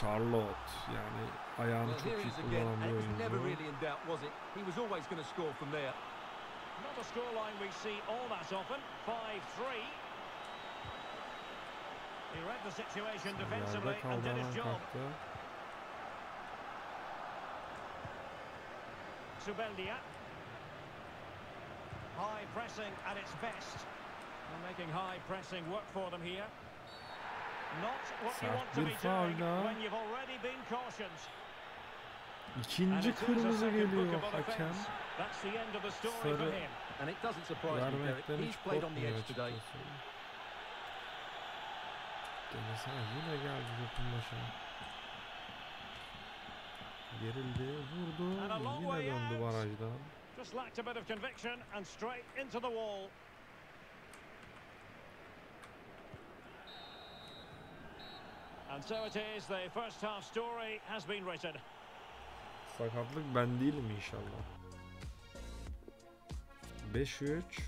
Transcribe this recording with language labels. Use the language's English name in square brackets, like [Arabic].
[Turkish] Charlotte yani ayağını çok iyi kullanan bir oyuncu. [English] He was always going to score from there. Not a scoreline we see all that often. 5-3. He read the situation defensively and did his job. Subeldia. High pressing at its best. They're making high pressing work for them here. Not what you want to be doing when you've already been cautioned. [Turkish] İkinci kırmızı geliyor hakem. [English] That's the end of the story for him. And it doesn't surprise me that he's played on the edge today. [Turkish] Dennis yine geldi topun başına. Gerildi, vurdu, yine döndü barajdan. [English] Just lacked a bit of conviction and straight into the wall. And so it is, the first half story has been written. [Turkish] Sakatlık ben değilim inşallah. 5-3.